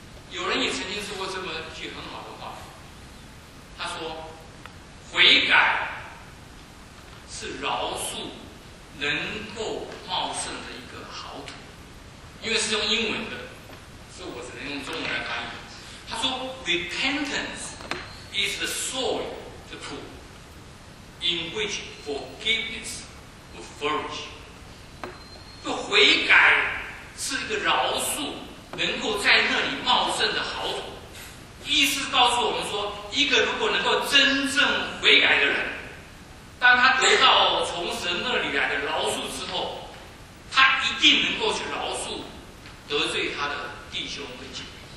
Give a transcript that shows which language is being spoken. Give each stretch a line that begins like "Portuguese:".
Chinese: 有人也曾经说过这么一句很好的话，他说悔改是饶恕能够茂盛的一个好土，因为是用英文的，所以我只能众人翻译，他说
English: repentance is the soil, the pool, in which forgiveness will flourish.
Chinese: 就悔改是一个饶恕能够在那里茂盛的好土。意思告诉我们说，一个如果能够真正悔改的人，当他得到从神那里来的饶恕之后，他一定能够去饶恕得罪他的弟兄和姐妹。